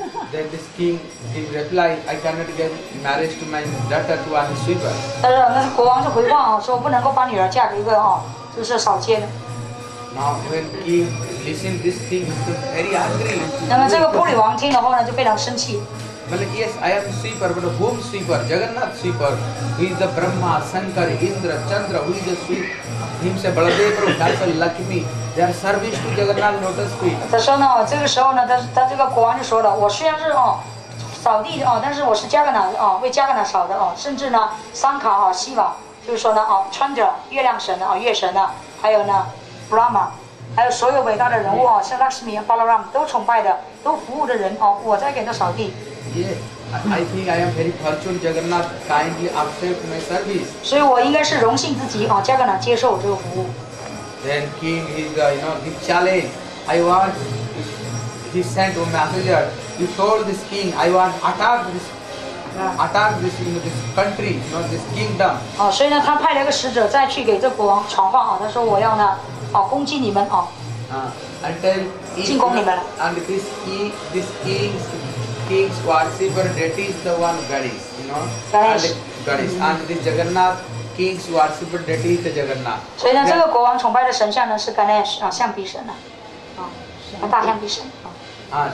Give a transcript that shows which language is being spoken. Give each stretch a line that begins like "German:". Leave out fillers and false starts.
English: Then this king in reply, I cannot get marriage to my daughter to one sweeper.
Chinese: 但是那国王就回话啊，说不能够把女儿嫁给一个啊，就是扫街的。
English: Now when king listen this thing, he very angry.
Chinese: 那么这个普里王听了后呢，就非常生气。
English: Well, yes, I am sweeper, but whom sweeper? Jagannath sweeper. Who is the Brahma, Shankar, Indra, Chandra? Who is the sweeper? Himself, Baladev, Dasa, Lakshmi. They are service to Jagannath, not a sweeper.
Chinese: 他说呢，这个时候呢，但是他这个国王就说了，我虽然是扫地的，但是我是加格纳的，为加格纳扫的，甚至呢，桑卡啊，西瓦，就是说呢，穿着月亮神的啊，月神呢，还有呢，Brahma。还有所有伟大的人物啊，像拉什米、巴拉拉姆都崇拜的、都服务的人啊，我在给他扫地。
English: I think I am very fortunate, Jagannath kindly accept my service.
Chinese: 所以我应该是荣幸自己, 哦, 加格纳,
English: then King is, you know, he challenged. I want, he sent a messenger. He told this king, I want attack this, you know, this country, you know, this kingdom.
Chinese: 哦, 所以呢, 他派了一个使者再去给这国王传话, 哦, 他说我要呢, 哦, 攻击你们, 哦,
English: until and this king's worshipper, that is the one goddess, you know, goddess. Mm-hmm. And this Jagannath, king's worshipper, that is the Jagannath. So, this king's worshipper is Ganesh, the Shambhishan.